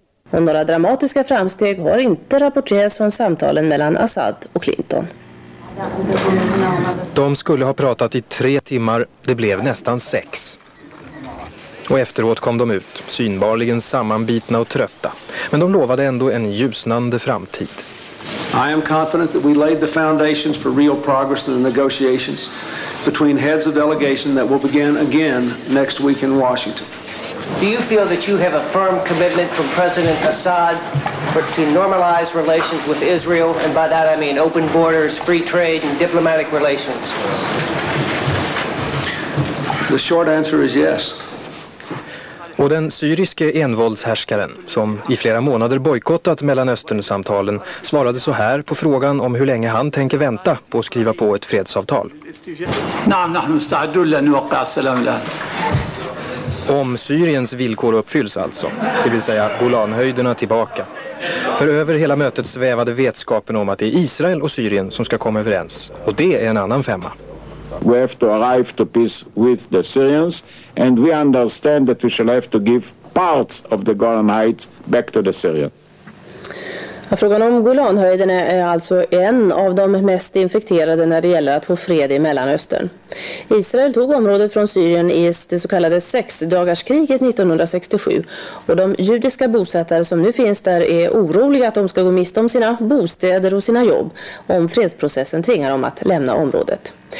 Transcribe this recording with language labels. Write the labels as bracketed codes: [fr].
[sv] Men några dramatiska framsteg har inte rapporterats från samtalen mellan Assad och Clinton. De skulle ha pratat i 3 timmar, det blev nästan 6. Och efteråt kom de ut, synbarligen sammanbitna och trötta. Men de lovade ändå en ljusnande framtid. [en] I am confident that we laid the foundations for real progress in the negotiations between heads of delegation that will begin again next week in Washington. Do you feel that you have a firm commitment from President Assad for to normalize relations with Israel, and by that I mean open borders, free trade, and diplomatic relations? The short answer is yes. [sv] Och den syriske envåldshärskaren, som i flera månader bojkottat Mellanöstern-samtalen, svarade så här på frågan om hur länge han tänker vänta på att skriva på ett fredsavtal. Om Syriens villkor uppfylls alltså, det vill säga Golanhöjderna tillbaka. För över hela mötet svävade vetskapen om att det är Israel och Syrien som ska komma överens. Och det är en annan femma. [en] We have to arrive to peace with the Syrians, and we understand that we shall have to give parts of the Golan Heights back to the Syrian. [sv] Ja, frågan om Golanhöjderna är alltså en av de mest infekterade när det gäller att få fred i Mellanöstern. Israel tog området från Syrien i det så kallade sexdagarskriget 1967, och de judiska bosättare som nu finns där är oroliga att de ska gå miste om sina bostäder och sina jobb om fredsprocessen tvingar dem att lämna området.